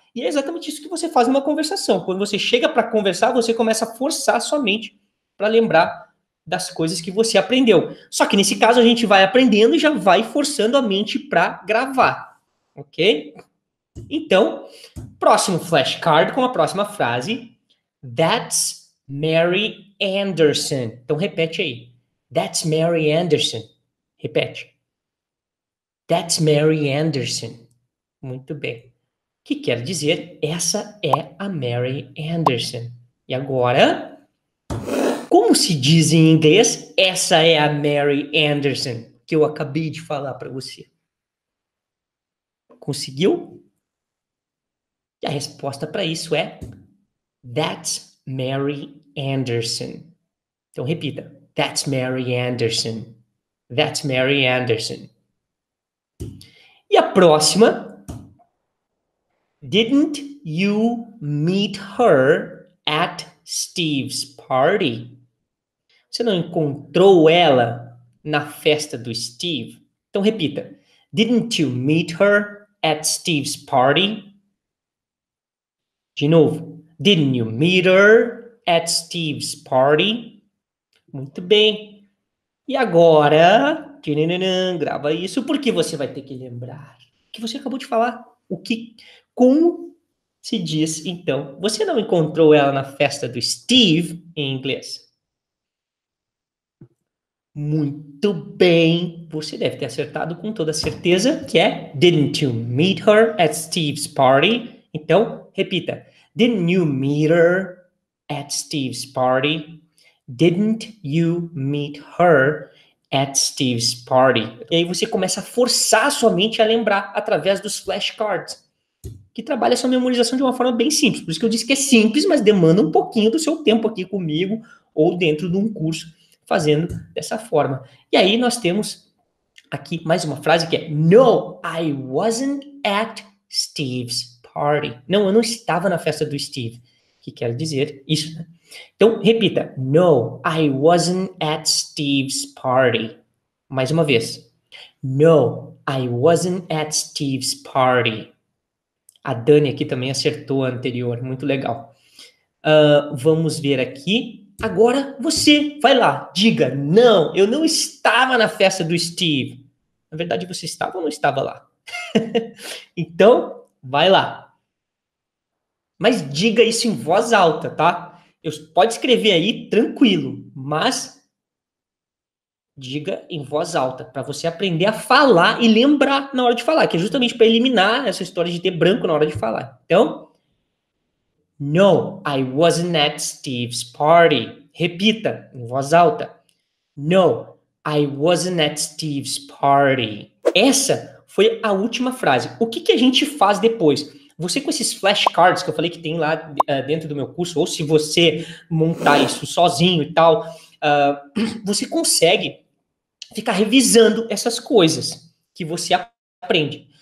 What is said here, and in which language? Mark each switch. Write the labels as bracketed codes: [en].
[pt] E é exatamente isso que você faz numa conversação. Quando você chega para conversar, você começa a forçar a sua mente para lembrar das coisas que você aprendeu. Só que nesse caso a gente vai aprendendo e já vai forçando a mente para gravar. Ok? Então, próximo flashcard com a próxima frase. [en] That's Mary Anderson. [pt] Então repete aí. [en] That's Mary Anderson. Repete. That's Mary Anderson. [pt] Muito bem. O que quer dizer? Essa é a Mary Anderson. E agora, como se diz em inglês, essa é a Mary Anderson que eu acabei de falar para você? Conseguiu? E a resposta para isso é [en] That's Mary Anderson. [pt] Então repita. [en] That's Mary Anderson. That's Mary Anderson. [pt] E a próxima? [en] Didn't you meet her at Steve's party? [pt] Você não encontrou ela na festa do Steve? Então repita. [en] Didn't you meet her at Steve's party? [pt] De novo, [en] didn't you meet her at Steve's party? [pt] Muito bem. E agora, grava isso, porque você vai ter que lembrar que você acabou de falar o que, como se diz, então, você não encontrou ela na festa do Steve em inglês? Muito bem. Você deve ter acertado com toda certeza, que é [en] didn't you meet her at Steve's party? [pt] Então, repita. [en] Didn't you meet her at Steve's party? Didn't you meet her at Steve's party? [pt] E aí você começa a forçar a sua mente a lembrar através dos flashcards, que trabalha a sua memorização de uma forma bem simples. Por isso que eu disse que é simples, mas demanda um pouquinho do seu tempo aqui comigo ou dentro de um curso fazendo dessa forma. E aí nós temos aqui mais uma frase que é [en] No, I wasn't at Steve's party. [pt] Não, eu não estava na festa do Steve. O que quer dizer isso, né? Então, repita. [en] No, I wasn't at Steve's party. [pt] Mais uma vez. [en] No, I wasn't at Steve's party. [pt] A Dani aqui também acertou a anterior. Muito legal. Vamos ver aqui. Agora você vai lá. Diga, não, eu não estava na festa do Steve. Na verdade, você estava ou não estava lá? Então, vai lá. Mas diga isso em voz alta, tá? Eu pode escrever aí tranquilo, mas diga em voz alta para você aprender a falar e lembrar na hora de falar, que é justamente para eliminar essa história de ter branco na hora de falar. [en] Então, No, I wasn't at Steve's party. [pt] Repita em voz alta. [en] No, I wasn't at Steve's party. [pt] Essa foi a última frase. O que que a gente faz depois? Você com esses flashcards que eu falei que tem lá dentro do meu curso, ou se você montar isso sozinho e tal, você consegue ficar revisando essas coisas que você aprende.